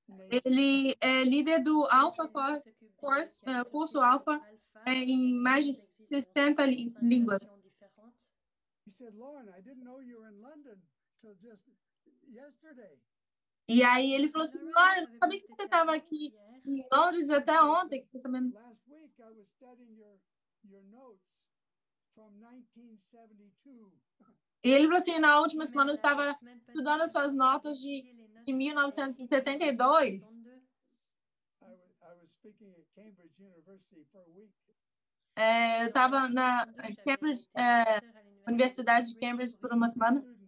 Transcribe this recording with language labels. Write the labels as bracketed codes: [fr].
[pt] Ele é líder do Alpha Course, curso Alpha, em mais de 60 línguas. Ele disse, Lauren, eu não sabia que você era em Londres até [en] yesterday. [pt] E aí ele falou assim, Lauren, eu sabia que você estava aqui em Londres até ontem. Que você também... [en] Last week I was studying your notes from 1972. [pt] E ele falou assim, na última semana eu estava estudando as suas notas de 1972. [en] I was speaking at Cambridge University for a week. [pt] Eu estava na Cambridge, Universidade de Cambridge por uma semana.